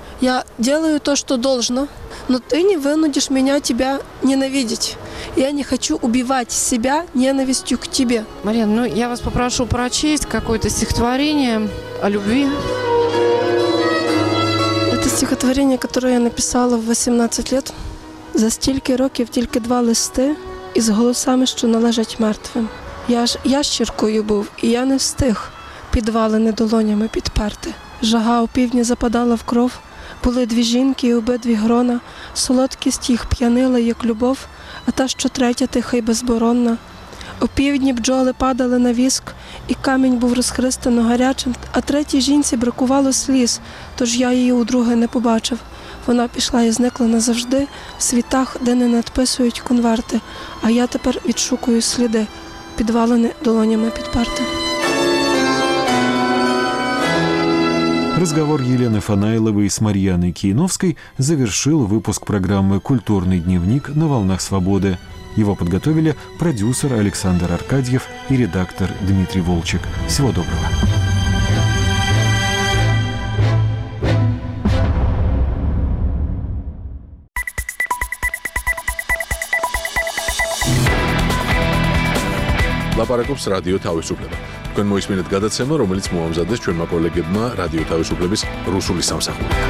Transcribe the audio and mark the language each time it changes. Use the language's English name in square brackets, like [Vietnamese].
[Russian] Я делаю то, что должно, но ты не вынудишь меня тебя ненавидеть. Я не хочу убивать себя ненавистью к тебе». Марина, ну я вас попрошу прочесть какое-то стихотворение. о любви. Это стихотворение, которое я написала в 18 лет. [Ukrainian] За стільки років тільки два листи із голосами, що належать мертвим. Я ж ящіркою був, і я не встиг підвалини долонями підперти. Жага у півдні западала в кров, були дві жінки і обидві грона, солодкість їх п'янила, як любов, а та, що третя, тиха й безборонна. У півдні бджоли падали на віск, і камінь був розхристано гарячим, а третій жінці бракувало сліз, тож я її удруге не побачив. Вона пішла і зникла назавжди в світах, де не надписують конверти, а я тепер відшукую сліди, підвалені долонями підперти. [Russian] Разговор Елены Фанайловой с Марьяной Кийновской завершил выпуск программы «Культурный дневник на волнах свободы». Его подготовили продюсер Александр Аркадьев и редактор Дмитрий Волчек. Всего доброго. Лапарекопс радио Тауисуплева. [Georgian] Ჩვენ მოისმინეთ გადაცემა, რომელიც მოამზადეს ჩვენმა კოლეგებმა რადიო თავისუფლების რუსული სამსახური.